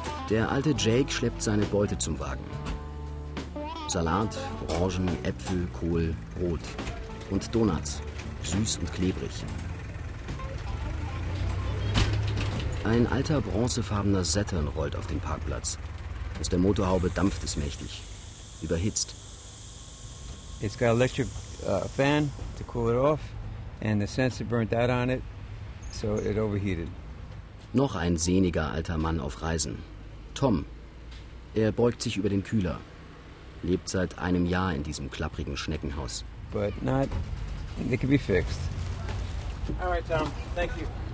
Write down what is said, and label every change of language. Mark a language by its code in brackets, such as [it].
[de] Der alte Jake schleppt seine Beute zum Wagen. Salat, Orangen, Äpfel, Kohl, Brot und Donuts, süß und klebrig. Ein alter bronzefarbener Saturn rollt auf den Parkplatz. Aus der Motorhaube dampft es mächtig, überhitzt. [en] It's got an electric fan to cool it off, and the sensor burnt out on it, so it overheated. [de] Noch ein sehniger alter Mann auf Reisen, Tom. Er beugt sich über den Kühler. Lebt seit 1 Jahr in diesem klapprigen Schneckenhaus. [en] But not. It can be fixed. All right, Tom. Thank you.